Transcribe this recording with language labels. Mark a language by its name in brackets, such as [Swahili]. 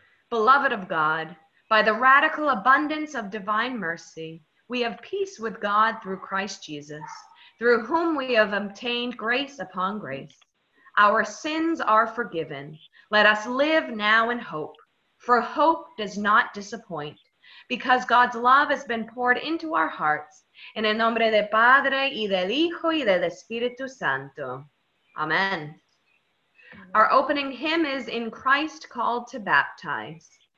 [English] Beloved of God, by the radical abundance of divine mercy, we have peace with God through Christ Jesus, through whom we have obtained grace upon grace. Our sins are forgiven. Let us live now in hope, for hope does not disappoint, because God's love has been poured into our hearts. [Spanish] En el nombre del Padre, y del Hijo, y del Espíritu Santo. [English] Amen. Our opening hymn is In Christ Called to Baptize.